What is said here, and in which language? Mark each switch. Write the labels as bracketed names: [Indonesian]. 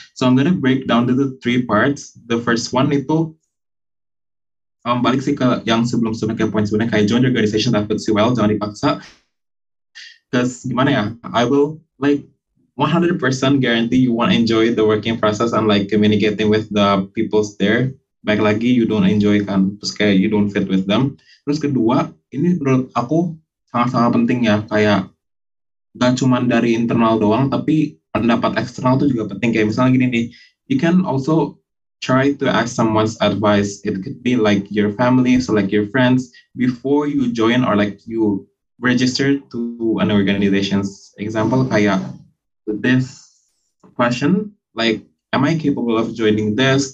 [English] So I'm gonna break down into three parts. The first one [Indonesian] itu, balik sih ke yang sebelum-sebelumnya kayak poin sebenarnya, kayak [English] join organization that fits you well, [Indonesian] jangan dipaksa. [English] Because [Indonesian] gimana ya, [English] I will like 100% guarantee you won't enjoy the working process and like communicating with the people there. [Indonesian] baik lagi [English] you don't enjoy [Indonesian] kan, terus kayak [English] you don't fit with them. [Indonesian] Terus kedua, ini menurut aku sangat-sangat penting ya, kayak gak cuma dari internal doang, tapi pendapat eksternal itu juga penting. Kayak misalnya gini nih, [English] you can also try to ask someone's advice. It could be like your family, so like your friends, before you join or like you register to an organization's example, kayak this question, like, am I capable of joining this?